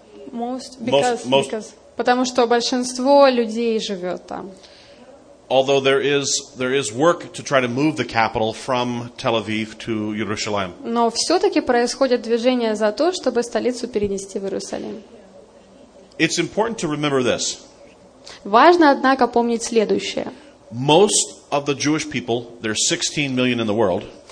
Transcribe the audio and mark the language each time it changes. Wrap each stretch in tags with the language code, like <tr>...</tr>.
<en>Most,</en> <ru>потому что большинство людей живет там.</ru> <en>Although there is work to try to move the capital from Tel Aviv to Jerusalem.</en> <ru>Но все-таки происходит движение за то, чтобы столицу перенести в Иерусалим.</ru> <en>It's important to remember this.</en> <ru>Важно, однако, помнить следующее.</ru> <en>Most of the Jewish people, there's 16 million in the world.</en>